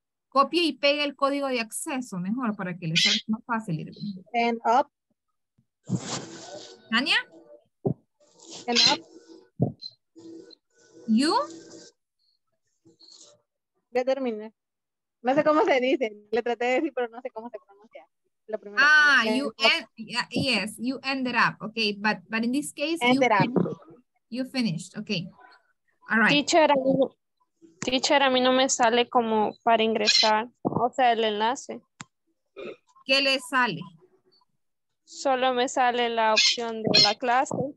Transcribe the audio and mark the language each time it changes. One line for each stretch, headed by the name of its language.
Spanish: Copie y pegue el código de acceso, mejor, para que le sea más fácil ir.
English: And up. And up. You.
Spanish: Ya terminé. No sé cómo se dice. Le traté de decir, pero no sé cómo se pronuncia.
English: Ah, you end, yes, you ended up, okay, but in this case, you finished, okay, all right.
Spanish: Teacher, a mí no me sale como para ingresar. o sea, el enlace. ¿Qué le sale? Solo me sale la opción de la clase.